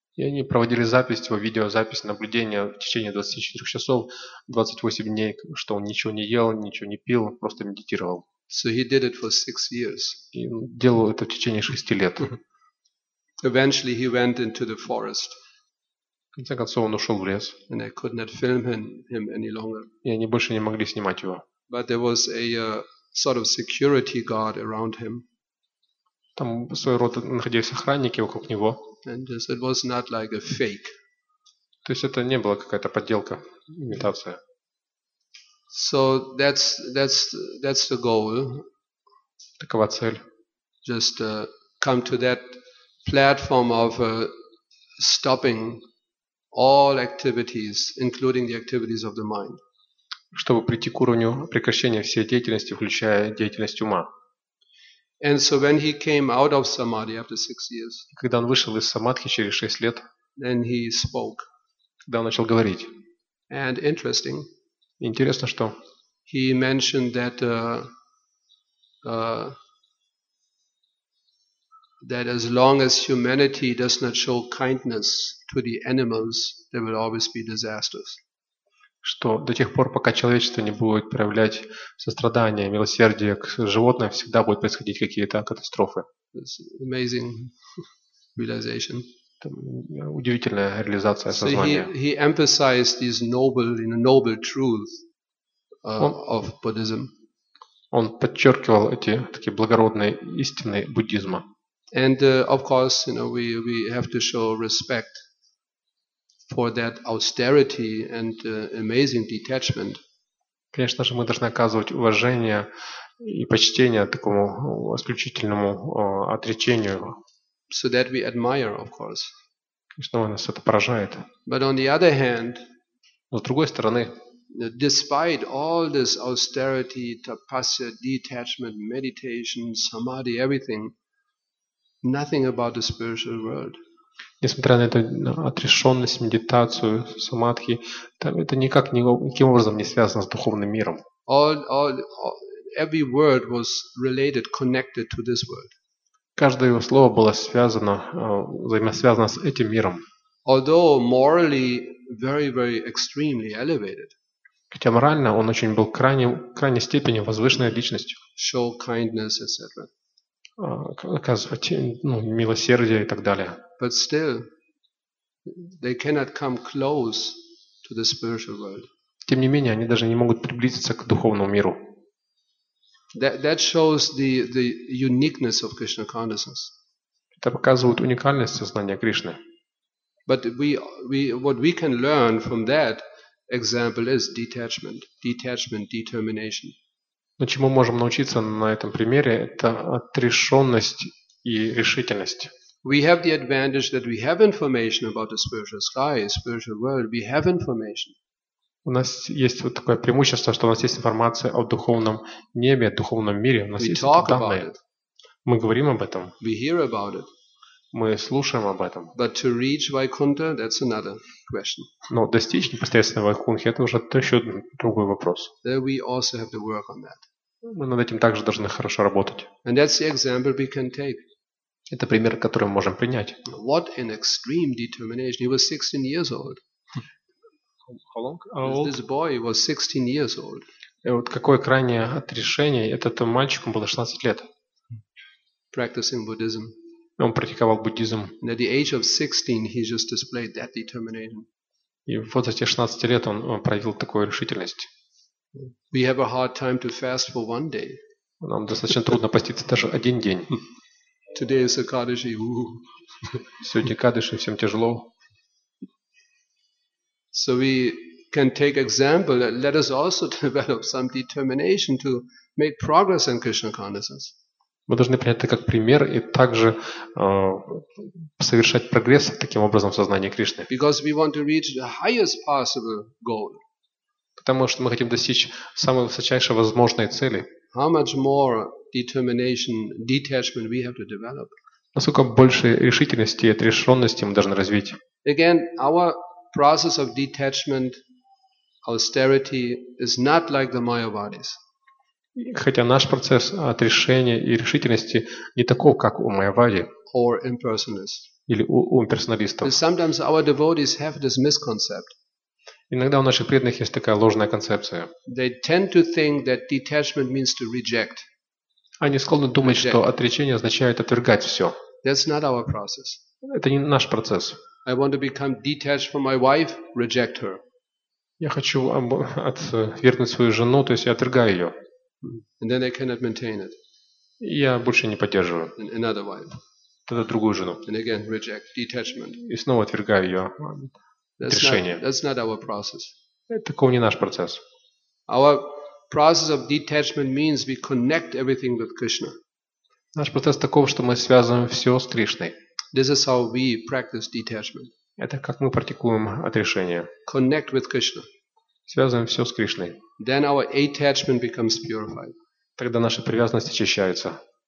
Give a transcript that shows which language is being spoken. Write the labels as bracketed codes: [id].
[ru] И они проводили запись, его видеозапись, наблюдение в течение 24 часов, 28 дней, что он ничего не ел, ничего не пил, просто медитировал. [en] So he did it for 6 years. [ru] И делал это в течение 6 лет. [en] Eventually he went into the forest. [ru] конце концов, он ушел в лес. [en] And I could not film him any longer. [ru] И они больше не могли снимать его. [en] But there was a sort of security guard around him. [ru] Там своего рода находились охранники вокруг него. [en] And this, it was not like a fake. [ru] То есть это не была какая-то подделка, имитация. [en] So that's the goal. [ru] Такова цель. [en] Just come to that platform of stopping all activities, including the activities of the mind. [ru] Чтобы прийти к уровню прекращения всей деятельности, включая деятельность ума. [en] And so when he came out of samadhi after 6 years, [ru] когда он вышел из самадхи через 6 лет, [en] then he spoke. [ru] Когда он начал говорить. [en] And interesting. [ru] Интересно, что? [en] He mentioned that that as long as humanity does not show kindness to the animals, there will always be disasters. [ru] Что до тех пор, пока человечество не будет проявлять сострадание, милосердие к животным, всегда будут происходить какие-то катастрофы. [en] It's amazing realization. [ru] Удивительная реализация сознания. [en] So he emphasized these noble, in a noble truth of Buddhism. [ru] Он подчеркивал эти такие благородные истины буддизма. [en] And of course, you know, we have to show respect for that austerity and amazing detachment. [ru] Конечно же, мы должны оказывать уважение и почтение такому исключительному отречению. [en] So that we admire, of course. [ru] Конечно, нас это поражает. [en] But on the other hand, [ru] с другой стороны, [en] despite all this austerity, tapasya, detachment, meditation, samadhi, everything, nothing about the spiritual world. [ru] Несмотря на эту отрешенность, медитацию, самадхи, это никак никаким образом не связано с духовным миром. [en] Every word was related, connected to this world. [ru] Каждое его слово было связано, взаимосвязано с этим миром. [en] Although morally very, very extremely elevated. [ru] Хотя морально он очень был крайней степени возвышенной личностью. [en] Show kindness, etc. [ru] Оказывать милосердие и так далее. [en] But still, they cannot come close to the spiritual world. [ru] Тем не менее, они даже не могут приблизиться к духовному миру. [en] That shows the uniqueness of Krishna consciousness. [ru] Это показывает уникальность сознания Кришны. [en] But what we can learn from that example is detachment, determination. [ru] Но чему можем научиться на этом примере, это отрешенность и решительность. [en] We have the advantage that we have information about the spiritual sky, spiritual world. We have information. [ru] У нас есть вот такое преимущество, что у нас есть информация о духовном небе, о духовном мире. У нас [en] we [ru] есть [en] talk [ru] данные. [en] About it. [ru] Мы говорим об этом. [en] We hear about it. [ru] Мы слушаем об этом. [en] But to reach Vaikuntha, that's another question. [ru] Но достичь непосредственно Вайкунхи – это уже еще другой вопрос. [en] There we also have to work on that. [ru] Мы над этим также должны хорошо работать. [en] And that's the example we can take. [ru] Это пример, который мы можем принять. [en] What an extreme determination. He was 16 years old. How long? This boy was 16 years old. [ru] И вот какое крайнее отрешение. Этот мальчик, ему было 16 лет. [en] Practicing Buddhism. [ru] Он практиковал буддизм. [en] And at the age of 16, he just displayed that determination. [ru] И в возрасте 16 лет он проявил такую решительность. [en] We have a hard time to fast for one day. [ru] Нам достаточно трудно поститься даже один день. [en] Today is a Kadashi. [ru] Сегодня Кадыши, всем тяжело. [en] So we can take example. Let us also develop some determination to make progress in Krishna consciousness. [ru] Мы должны принять это как пример и также совершать прогресс таким образом в сознании Кришны. [en] Because we want to reach the highest possible goal. [ru] Потому что мы хотим достичь самой высочайшей возможной цели. [en] How much more determination, detachment we have to develop? [ru] Насколько больше решительности и отрешенности мы должны развить? [en] Again, our process of detachment, austerity is not like the Mayavadis. [ru] Хотя наш процесс отрешения и решительности не такой, как у Майявади. [en] Or impersonalist. [ru] Или у имперсоналистов. [en] And sometimes our devotees have this misconcept. [ru] Иногда у наших преданных есть такая ложная концепция. [en] They tend to think that detachment means to reject. [ru] Они склонны думать, что отречение означает отвергать все. [en] That's not our process. [ru] Это не наш процесс. [en] I want to become detached from my wife, reject her. [ru] Я хочу отвергнуть свою жену, то есть я отвергаю ее. [en] And then I cannot maintain it. [ru] Я больше не поддерживаю. [en] And another wife. [ru] Тогда другую жену. [en] And again, reject, detachment. [ru] И снова отвергаю ее решение. [en] That's not our process. [ru] Такого не наш процесс. [en] Our process of detachment means we connect everything with Krishna. [ru] Наш процесс таков, что мы связываем все с Кришной. [en] This is how we practice detachment. [ru] Это как мы практикуем отрешение. [en] Connect with Krishna. [ru] Связываем все с Кришной. [en] Then our attachment becomes purified. [ru] Тогда наши привязанности очищаются.